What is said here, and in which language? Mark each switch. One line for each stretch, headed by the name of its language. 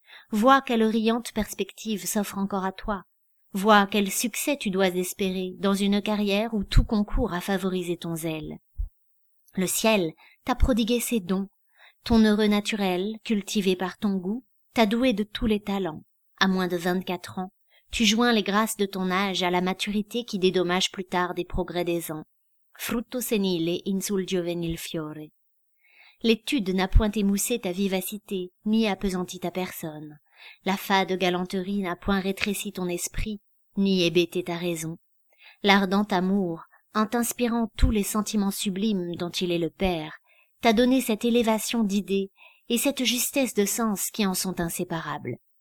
French: Vois quelle riante perspective s'offre encore à toi. Vois quel succès tu dois espérer dans une carrière où tout concourt à favoriser ton zèle. Le ciel t'a prodigué ses dons, ton heureux naturel, cultivé par ton goût, t'a doué de tous les talents. À moins de 24 ans, tu joins les grâces de ton âge à la maturité qui dédommage plus tard des progrès des ans.
Italian: Frutto senile in sul giovenil fiore.
French: L'étude n'a point émoussé ta vivacité, ni appesanti ta personne. La fade galanterie n'a point rétréci ton esprit, ni hébété ta raison. L'ardent amour, en t'inspirant tous les sentiments sublimes dont il est le père, t'a donné cette élévation d'idées et cette justesse de sens qui en sont inséparables.